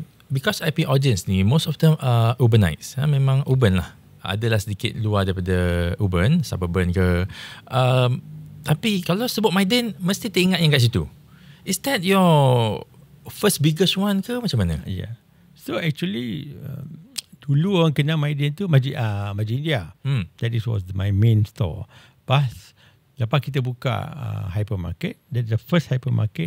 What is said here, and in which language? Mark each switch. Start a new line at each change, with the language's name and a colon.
English: Because IP audience ni, most of them are urbanites.
Malay: Memang urban lah. Adalah sedikit luar daripada urban, suburban ke. Tapi kalau sebut Mydin, mesti teringat yang kat situ.
English: Is that your first biggest one
Malay: ke macam mana? Yeah.
English: So actually,
Malay: dulu orang kenal Mydin tu Majid India.
English: That is was my main store.
Malay: Lepas kita buka hypermarket,
English: that the first hypermarket